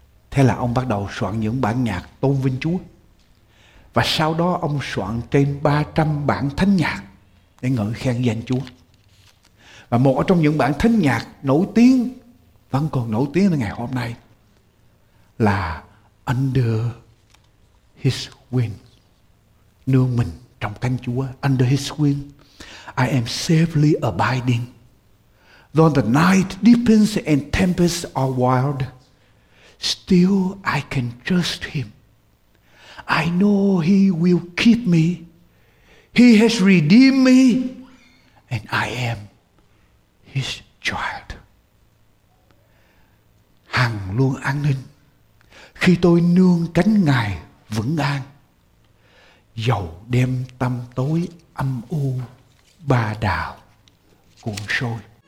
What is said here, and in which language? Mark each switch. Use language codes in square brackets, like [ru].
[vi] Thế là ông bắt đầu soạn những bản nhạc tôn vinh Chúa. Và sau đó ông soạn trên 300 bản thánh nhạc để ngợi khen danh Chúa. Và một trong những bản thánh nhạc nổi tiếng, vẫn còn nổi tiếng đến ngày hôm nay, là Under His Wing. Nương mình trong cánh Chúa. [en] Under His Wing I am safely abiding. Though the night deepens and tempests are wild, still I can trust Him. I know He will keep me. He has redeemed me, and I am His child. [vi] Hằng luôn an ninh khi tôi nương cánh Ngài vững an. Dầu đêm tăm tối âm u ba đào cuồn sôi.